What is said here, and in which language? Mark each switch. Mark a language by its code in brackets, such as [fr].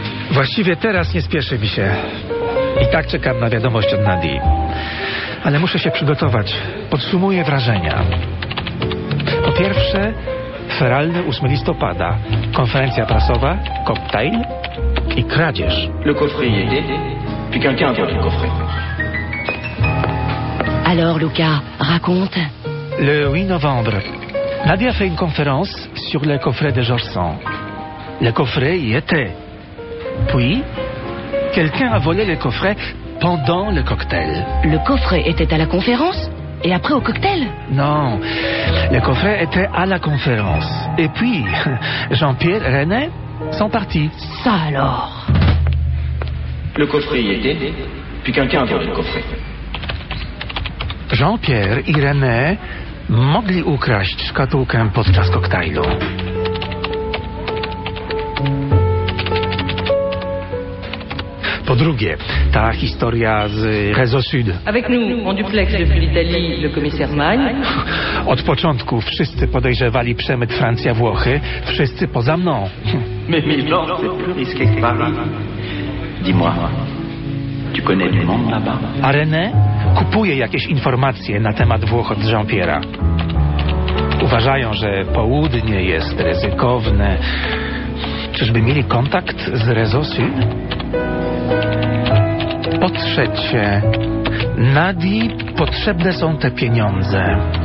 [pl] Właściwie teraz nie spieszy mi się. I tak czekam na wiadomość od Nadii. Ale muszę się przygotować. Podsumuję wrażenia. Po pierwsze, feralny 8 listopada. Konferencja prasowa, koktajl i kradzież. [fr] Le coffret y est. Puis quelqu'un a perdu le coffret. Alors, Luca, raconte. Le 8 novembre, Nadia fait une conférence sur le coffret de George Sand. Le coffret y était. Puis, quelqu'un a volé le coffret pendant le cocktail. Le coffret était à la conférence et après au cocktail? Non, le coffret était à la conférence. Et puis, Jean-Pierre, René sont partis. Ça alors? Le coffret y était, puis quelqu'un a volé le coffret. [pl] Jean-Pierre et René mogli ukraść szkatułkę podczas koktajlu. Po drugie, ta historia z Réseau Sud. [fr] Avec nous, en duplex depuis l'Italie, le commissaire Magne. [pl] Od początku wszyscy podejrzewali przemyt Francja-Włochy, wszyscy poza mną. [fr] Mais Milord, c'est plus risqué que par là. Dis-moi, tu connais du monde là-bas? [pl] A René kupuje jakieś informacje na temat Włoch od Jean-Pierre'a. Uważają, że południe jest ryzykowne. Czyżby mieli kontakt z Réseau Sud? Po trzecie, Nadii potrzebne są te pieniądze.